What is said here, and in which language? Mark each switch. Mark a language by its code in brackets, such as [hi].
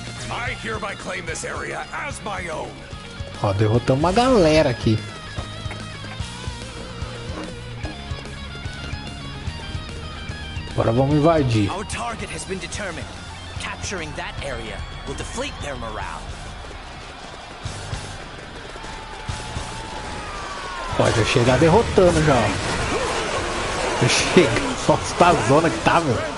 [en] I hereby claim this area as my own. [pt] Ó, derrotamos uma galera aqui. Agora vamos invadir. [en] Our target has been determined. Capturing that area will deflate their morale. [pt] Pode chegar derrotando já. Chega. Só está a zona que tá, meu.